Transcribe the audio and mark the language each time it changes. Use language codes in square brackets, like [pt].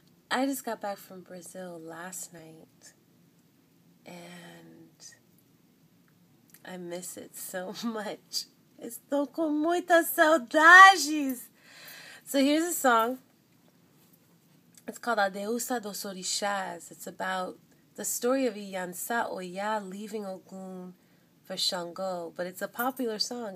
[en] I just got back from Brazil last night, and I miss it so much. [pt] Estou com muitas saudades. [en] So here's a song. It's called A Deusa dos Orixás. It's about the story of Iansã Oyá leaving Ogun for Xangô, but it's a popular song.